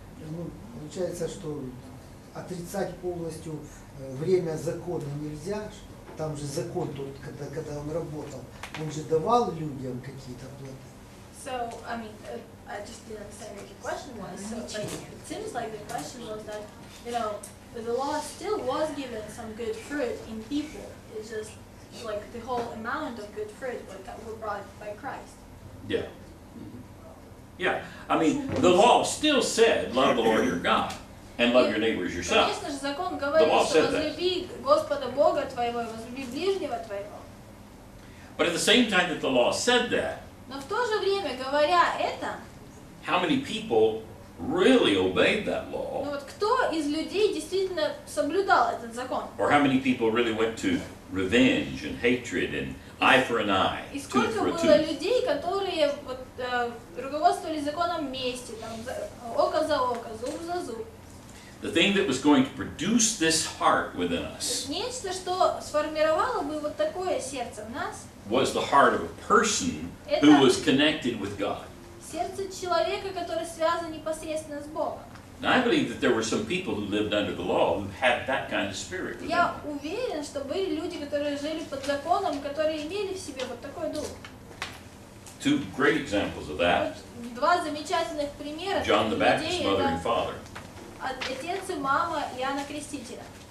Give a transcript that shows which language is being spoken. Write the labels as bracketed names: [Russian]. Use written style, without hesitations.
[Russian] Ну, получается, что отрицать полностью время закона нельзя. Там же закон, тот, когда он работал, он же давал людям какие-то плоды. [English] So, I mean, I just didn't understand what your question was. So, like, it seems like the question was that, you know, the law still was given some good fruit in people. It's just, like, the whole amount of good fruit that were brought by Christ. Yeah. Yeah. I mean, the law still said, love the Lord your God, and love your neighbor as yourself. [Russian] Конечно же, закон говорит, что возлюби Господа Бога твоего, возлюби ближнего твоего. [English] But at the same time that the law said that, [Russian] но в то же время, говоря это, [English] how many people really obeyed that law? [Russian] Ну вот кто из людей действительно соблюдал этот закон? [English] Or how many people really went to revenge and hatred and eye for an eye, tooth for a tooth? [Russian] И сколько было людей, которые вот руководствовались законом мести, там око за око, зуб за зуб? [English] The thing that was going to produce this heart within us. [Russian] Нечто, что сформировало бы вот такое сердце в нас. [English] Was the heart of a person who was connected with God. [Russian] Сердце человека, который связан непосредственно с Богом. [English] Now I believe that there were some people who lived under the law who had that kind of spirit. [Russian] Я уверен, что были люди, которые жили под законом, которые имели в себе вот такой дух. [English] Two great examples of that. [Russian] Два замечательных примера. [English] John the Baptist, mother and father. [Russian] Отец и мама Иоанна Крестителя.